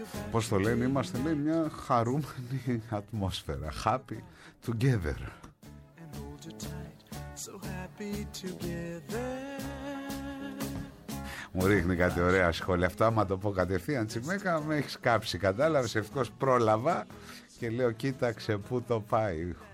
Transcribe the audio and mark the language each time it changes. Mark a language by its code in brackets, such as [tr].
[el] Πώς το λένε, είμαστε, λέει, μια χαρούμενη ατμόσφαιρα. [en] Happy together. And hold you tight, so happy together. [el] Μου ρίχνει κάτι ωραία σχόλια. Αυτό άμα το πω κατευθείαν, Τσιμέκα, με έχεις κάψει. Κατάλαβες, ευτυχώς πρόλαβα και λέω, κοίταξε πού το πάει.